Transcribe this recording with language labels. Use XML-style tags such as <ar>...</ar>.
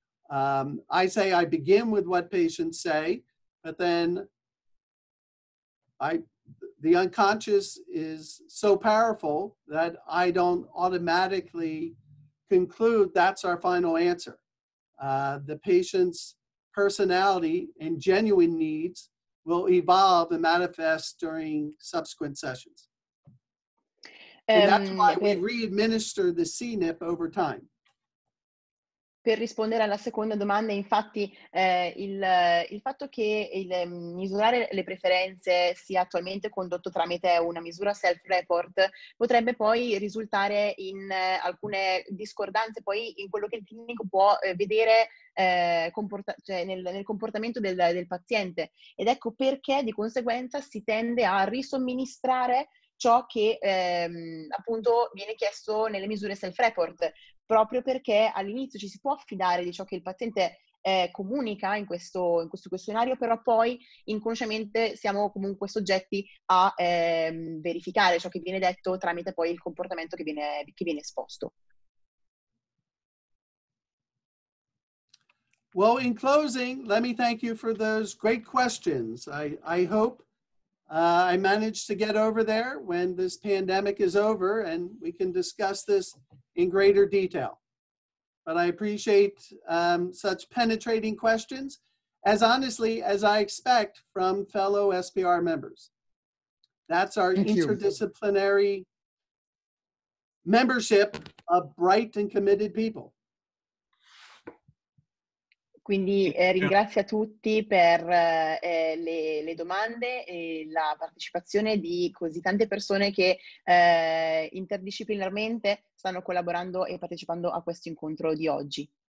<en>I say I begin with what patients say, but then the unconscious is so powerful that I don't automatically conclude that's our final answer. The patient's personality and genuine needs will evolve and manifest during subsequent sessions. And that's why we re-administer the CNIP over time.</en> <it>Per rispondere alla seconda domanda, infatti, il fatto che il misurare le preferenze sia attualmente condotto tramite una misura self-report potrebbe poi risultare in alcune discordanze poi in quello che il clinico può vedere nel comportamento del paziente. Ed ecco perché, di conseguenza, si tende a risomministrare ciò che appunto viene chiesto nelle misure self-report, proprio perché all'inizio ci si può affidare di ciò che il paziente comunica in questo questionario, però poi inconsciamente siamo comunque soggetti a verificare ciò che viene detto tramite poi il comportamento che viene esposto.</it> <en>Well, in closing, let me thank you for those great questions. I hope I managed to get over there when this pandemic is over and we can discuss this in greater detail. But I appreciate such penetrating questions, as honestly as I expect from fellow SPR members. That's our interdisciplinary membership of bright and committed people.</en> <it>Quindi ringrazio a tutti per le domande e la partecipazione di così tante persone che interdisciplinarmente stanno collaborando e partecipando a questo incontro di oggi.</it>